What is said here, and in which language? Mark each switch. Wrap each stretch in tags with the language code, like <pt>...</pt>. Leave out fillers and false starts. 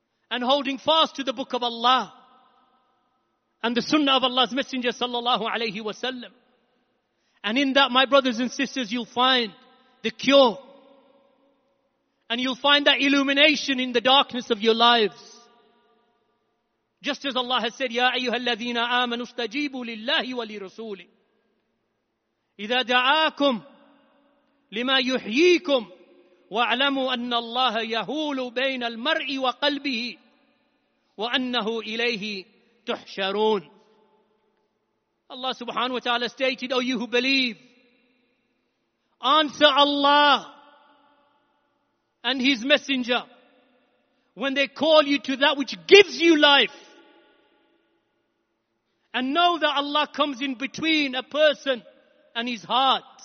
<en>And holding fast to the book of Allah and the sunnah of Allah's messenger sallallahu alayhi wa sallam. And in that, my brothers and sisters, you'll find the cure. And you'll find that illumination in the darkness of your lives.</en> <ar>Just as Allah has said, يَا أَيُّهَا الَّذِينَ آمَنُوا اسْتَجِيبُوا لِلَّهِ وَلِرَسُولِ إِذَا دَعَاكُمْ لِمَا يُحْيِيكُمْ واعلموا أن الله يهول بين المرء وقلبه وأنه إليه تحشرون.</ar> <en>Allah subhanahu wa ta'ala stated, O you who believe, answer Allah and His Messenger when they call you to that which gives you life. And know that Allah comes in between a person and his heart.</en>